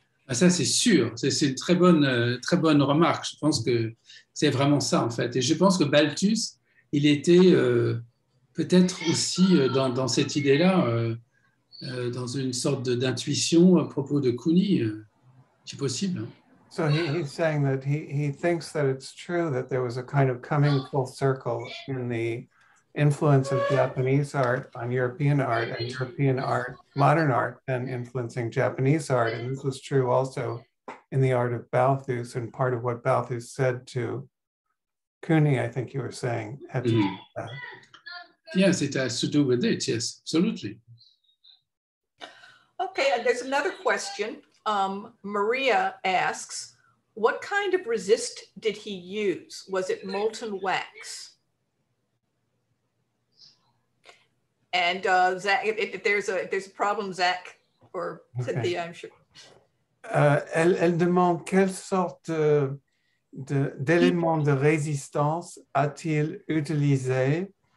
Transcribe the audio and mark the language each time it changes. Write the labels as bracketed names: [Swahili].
[French] Ça, c'est sûr. C'est une très bonne remarque. Je pense que c'est vraiment ça, en fait. Et je pense que Balthus, il était peut-être aussi dans cette idée-là, dans une sorte d'intuition à propos de Kuni. C'est possible. [English] So he's saying that he thinks that it's true that there was a kind of coming full circle in the influence of Japanese art on European art and European art, modern art, and influencing Japanese art. And this was true also in the art of Balthus, and part of what Balthus said to Kuni, I think you were saying, had to do with that. Yes, it has to do with it, yes, absolutely. Okay, there's another question. Maria asks, what kind of resist did he use? Was it molten wax? And Zach, if there's a problem, Zach or Cynthia, okay. I'm sure. [French] Elle demande quelle sorte d'éléments de résistance a-t-il utilisé?